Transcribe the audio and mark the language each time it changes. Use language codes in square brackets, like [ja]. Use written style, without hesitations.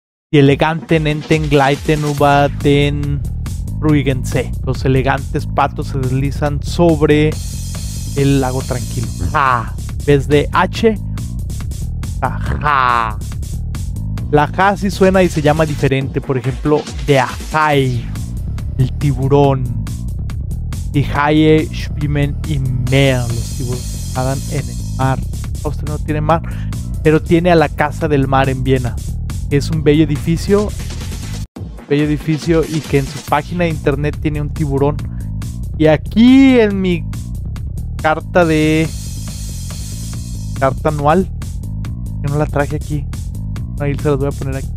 [de] Die eleganten enten gleiten über den Ruigensee. [es] Los elegantes patos se deslizan sobre el lago tranquilo. Ja. ¿Ves de H? Ja. La ja sí suena y se llama diferente. Por ejemplo, de Ajay. El tiburón. [de] Die Haie schwimmen im Meer. [es] Los tiburones nadan en el mar. Austria no tiene mar, pero tiene a la Casa del Mar en Viena. Es un bello edificio. Bello edificio y que en su página de internet tiene un tiburón. Y aquí en mi carta anual. Yo no la traje aquí. Ahí se las voy a poner aquí.